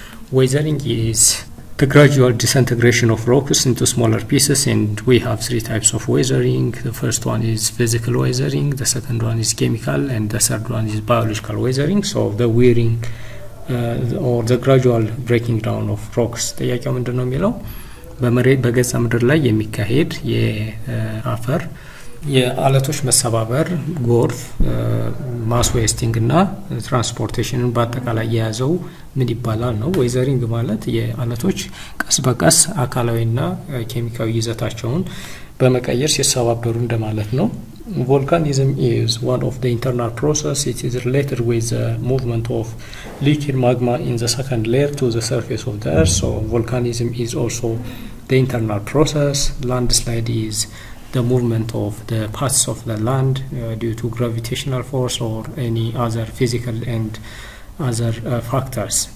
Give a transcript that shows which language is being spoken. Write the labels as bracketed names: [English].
[English] Weathering is the gradual disintegration of rocks into smaller pieces, and we have three types of weathering. The first one is physical weathering, the second one is chemical, and the third one is biological weathering. So the wearing or the gradual breaking down of rocks. [Amharic] ጥያቄው ምንድን ነው የሚለው በመሬት በገጸ ምድር ላይ የሚካሄድ የአፈር የአለቶች መሰባበር ጎርፍ ማስ ዌስቲንግ እና ትራንስፖርቴሽንን በአጠቃላይ የያዘው ምን ይባላል ነው። ዌዘሪንግ ማለት የአለቶች ቀስ በቀስ አካላዊና ኬሚካዊ ይዘታቸውን በመቀየር ሲሰባበሩ እንደማለት ነው። [English] Volcanism is one of the internal processes. It is related with the movement of liquid magma in the second layer to the surface of the earth. So volcanism is also the internal process. Landslide is the movement of the parts of the land due to gravitational force or any other physical and other factors.